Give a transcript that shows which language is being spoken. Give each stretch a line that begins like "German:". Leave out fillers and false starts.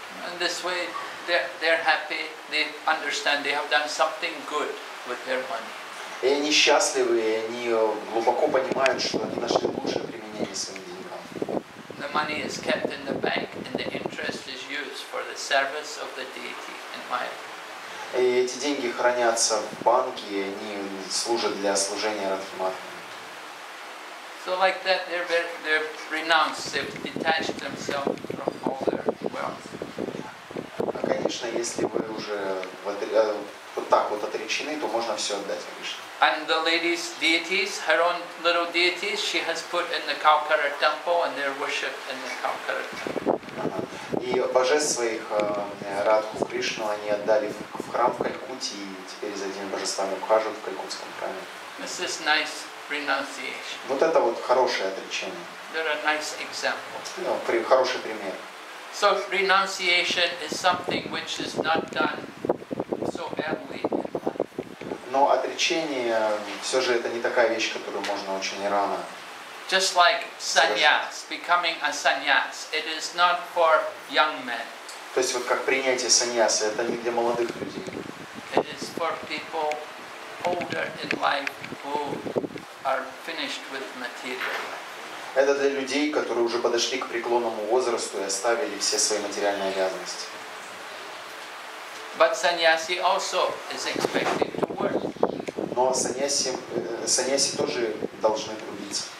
English: And this way they're happy, they understand they have done something good with their money.
Russian: И они счастливы, и они глубоко понимают, что они нашли лучшее применение своим деньгам.
English: The money is kept in the bank and the interest is used for the service of the deity in Maya.
Russian: И эти деньги хранятся в банке, и они служат для служения Радхиматтхи.
English: So like that they've renounced, they've detached themselves from all their wealth.
Russian: Конечно, если вы уже вот так вот отречены, то можно все отдать Кришне.
English: And the lady's deities, her own little deities, she has put in the Kaukara temple and they're worshipped in the Kaukara temple.
Russian: И божеств своих, Радху Кришну, они отдали в храм в Калькутте, и теперь за этими божествами ухаживают в калькутском храме.
English: This is nice renunciation.
Russian: Вот это вот хорошее отречение.
English: They're a nice example.
Russian: Ну, хороший пример.
English: So renunciation is something which is not done so early in life.
Russian: Но отречение все же это не такая вещь, которую можно очень рано.
English: Just like sannyas, becoming a sannyas, it is not for young men.
Russian: То есть вот как принятие саньясы, это не для молодых людей.
English: It is for people older in life who are finished with material life.
Russian: Это для людей, которые уже подошли к преклонному возрасту и оставили все свои материальные обязанности.
English: But sannyasi also is expected to work.
Russian: Но саньяси тоже должны трудиться.